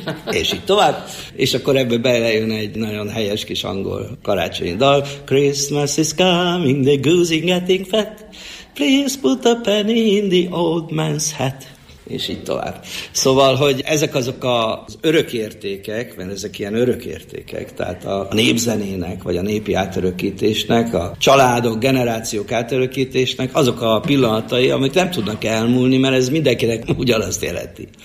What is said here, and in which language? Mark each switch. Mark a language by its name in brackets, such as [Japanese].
[Hungarian] És így tovább. És akkor ebbe belejön egy nagyon helyes kis angol karácsonyi dal. [English] Christmas is coming, the goose is getting fat. Please put a penny in the old man's hat. [Hungarian] És így tovább. Szóval, hogy ezek azok az örökértékek, mert ezek ilyen örökértékek, tehát a népzenének, vagy a népi átörökítésnek, a családok, generációk átörökítésnek, azok a pillanatai, amik nem tudnak elmúlni, mert ez mindenkinek ugyanazt jelenti.